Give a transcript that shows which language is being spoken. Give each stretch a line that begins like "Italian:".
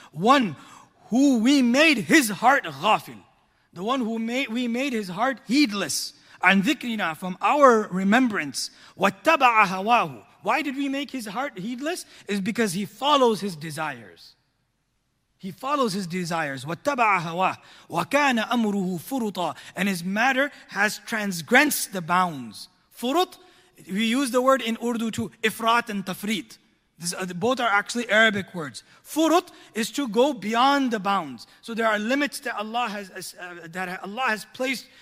English: One who we made his heart غَافِل. The one who we made his heart heedless.
Arabic: عَنْ ذِكْرِنَا.
English: From our remembrance.
Arabic: وَاتَّبَعَ هَوَاهُ.
English: Why did we make his heart heedless? It's because he follows his desires. He follows his desires.
Arabic: وَاتَّبَعَ هَوَاهُ وَكَانَ أَمْرُهُ فُرُطًا.
English: And his matter has transgressed the bounds. فُرُط, we use the word in Urdu to ifrat and tafrit. Both are actually Arabic words. فُرُط is to go beyond the bounds. So there are limits that Allah has placed.